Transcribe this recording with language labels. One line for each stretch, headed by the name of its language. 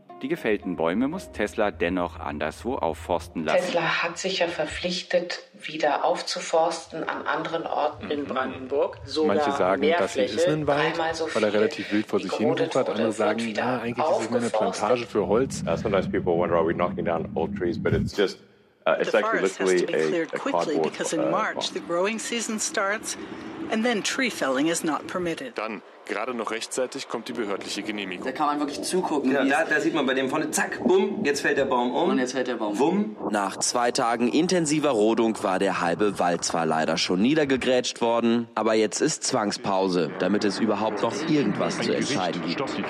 German: Die gefällten Bäume muss Tesla dennoch anderswo aufforsten lassen. Tesla hat sich ja verpflichtet, wieder aufzuforsten an anderen Orten in Brandenburg. Sogar manche sagen, das hier ist ein Wald, so weil er relativ wild vor sich hin wuchert. Andere sagen, ja, eigentlich ist es eine Plantage für Holz.
English: Sometimes people wonder, are we knocking down old trees, but it's just it's actually literally a cardboard. Because in March the growing season starts and then tree felling is not permitted.
German: Dann gerade noch rechtzeitig kommt die behördliche Genehmigung. Da kann man wirklich zugucken. Genau, da sieht man bei dem vorne, zack, bumm, jetzt fällt der Baum um. Und jetzt fällt der Baum wumm. Nach 2 Tagen intensiver Rodung war der halbe Wald zwar leider schon niedergegrätscht worden, aber jetzt ist Zwangspause, damit es überhaupt noch irgendwas zu entscheiden gibt.